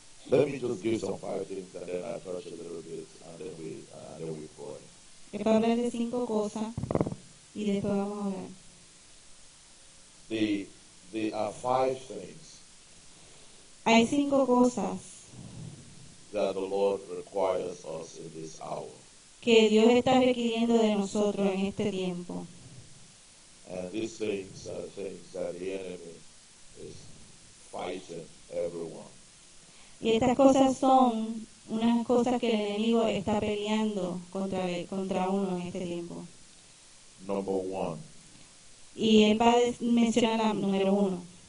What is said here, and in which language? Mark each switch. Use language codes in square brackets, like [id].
[en] Let me just give some five things and then I touch a little bit and then we pray. There are five things. [es] Hay cinco cosas [en] that the Lord requires us in this hour. [es] Que Dios está requiriendo de nosotros en este tiempo. [en] And these things are things that the enemy is fighting everyone. [es] Y estas cosas son unas cosas que el enemigo está peleando contra uno en este tiempo. [en] Number one. [es] Y él va a mencionar la número uno.